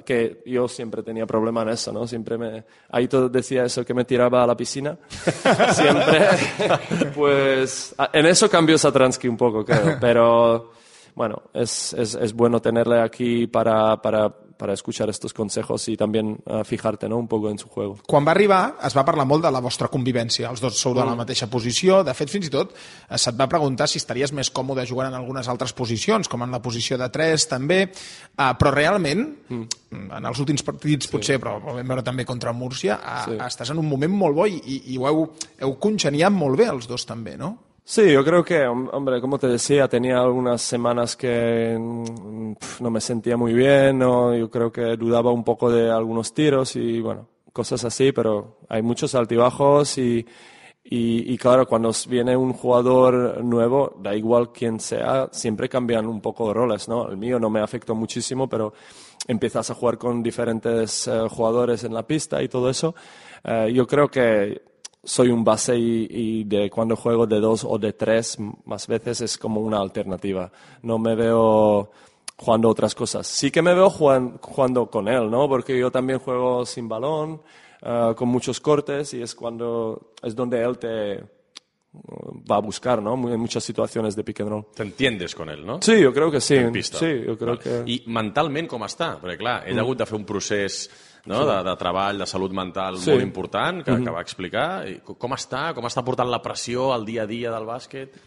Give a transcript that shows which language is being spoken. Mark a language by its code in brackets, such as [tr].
[es] Que yo siempre tenía problemas eso, ¿no? Siempre me... Ahí todo decía eso, que me tiraba a la piscina. Siempre. Pues en eso cambió Satransky un poco, creo. Pero, bueno, es bueno tenerle aquí para escuchar estos consejos y también fijarte, ¿no?, un poco en su juego. [ca] Quan va arribar, es va parlar molt de la vostra convivència. Els dos sou de la mateixa posició. De fet, fins i tot, se't va preguntar si estaries més còmode jugant en algunes altres posicions, com en la posició de 3, també. Però realment... En els últims partits, sí. Potser, però vam veure també contra Múrcia, estàs en un moment molt bo i ho heu congeniat molt bé els dos també, no? [es] Sí, yo creo que, hombre, como te decía, tenía algunas semanas que no me sentía muy bien, ¿no? Yo creo que dudaba un poco de algunos tiros y, bueno, cosas así, pero hay muchos altibajos y claro, cuando viene un jugador nuevo, da igual quién sea, siempre cambian un poco de roles, ¿no? El mío no me afectó muchísimo, pero... Empiezas a jugar con diferentes jugadores en la pista y todo eso. Yo creo que soy un base y de cuando juego de dos o de tres, más veces es como una alternativa. No me veo jugando otras cosas. Sí que me veo jugando con él, ¿no? Porque yo también juego sin balón, con muchos cortes y es donde él te va a buscar, ¿no? En muchas situaciones de pick and roll. Te entiendes con él, ¿no? Sí, yo creo que sí. En pista. Sí, yo creo que... [ca] I mentalment com està? Perquè, clar, ell ha hagut de fer un procés, no? Sí. De treball, de salut mental, sí. Molt important, que va explicar. I com està? Com està portant la pressió al dia a dia del bàsquet?